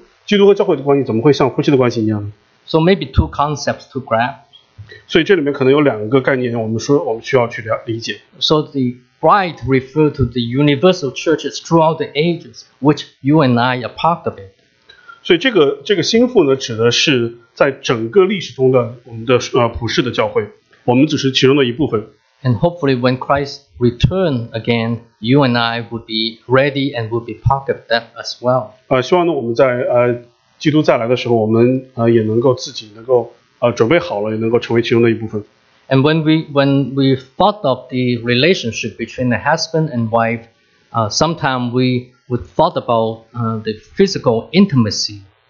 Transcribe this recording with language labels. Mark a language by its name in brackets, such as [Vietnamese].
[Chinese] 所以作为我还是一个年轻的基督徒的时候，我有时候觉得很困惑，或者是就是觉得这个比喻好像很古怪、很奇怪，就是作为基督和教会的关系，怎么会像夫妻的关系一样呢？ [English] So maybe two concepts to grab. [Chinese] 所以这里面可能有两个概念，我们需要去理解。 [English] So the bride refers to the universal churches throughout the ages, which you and I are part of it. [Chinese] 所以这个心腹呢，指的是在整个历史中的我们的普世的教会。 [English] And hopefully when Christ returns again, you and I would be ready and would be part of that as well. [Chinese] 希望呢我们在基督再来的时候，我们也能够自己能够准备好了，也能够成为其中的一部分。 [English] And when we thought of the relationship between the husband and wife, sometimes we would thought about the physical intimacy.